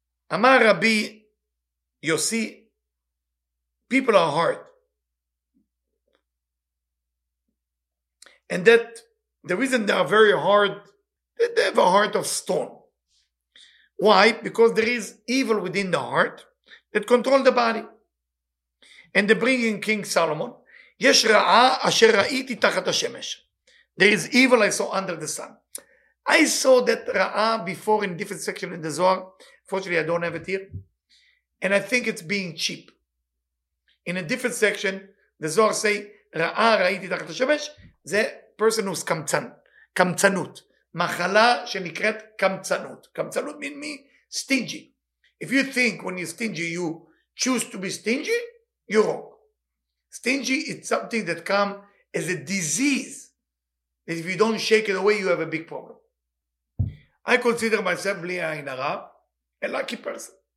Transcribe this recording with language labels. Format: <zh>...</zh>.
<en>Amar Rabbi Yossi, people are hard. And that the reason they are very hard, they have a heart of stone. Why? Because there is evil within the heart that controls the body. And they bring in King Solomon,</en> <he>יש רעה אשר ראיתי תחת השמש.</he> <en>There is evil I saw under the sun. I saw that רעה before in different section in the Zohar. Fortunately, I don't have it here. And I think it's being cheap. In a different section, the Zohar say,</en> <he>רעה ראיתי תחת השמש,</he> <en>זה person who's קמצן, קמצנות.</en> <he>מחלה שנקראת קמצנות. קמצנות</he> <en>mean me, stingy. If you think when you're stingy, you choose to be stingy, you're wrong. Stingy is something that comes as a disease. That if you don't shake it away, you have a big problem. I consider myself, בלי עין הרע, a lucky person.</en>